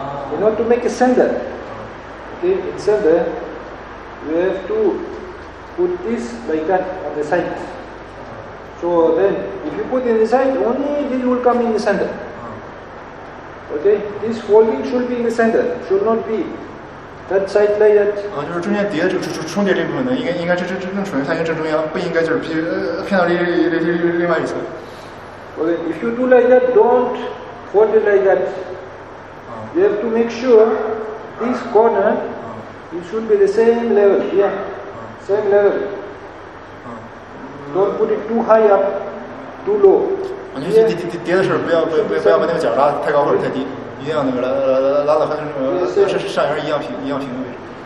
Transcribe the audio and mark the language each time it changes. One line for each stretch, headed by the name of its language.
English: You have to make a center. Okay. In center, you have to put this like that on the side. So then, if you put inside, only this will come in the center. Okay, this folding should be in the center. Should not be that side like that.
Chinese: 就是中间叠就重叠这部分的，应该正处于它应该正中央，不应该就是偏到另外一侧。
English: Okay, if you do like that, don't fold it like that. You have to make sure this corner it should be the same level. Yeah, same level. Don't put it too high up, too low.
Chinese: 我觉得叠的时候不要把那个角拉太高或者太低，一定要那个拉到和上沿一样平的位置。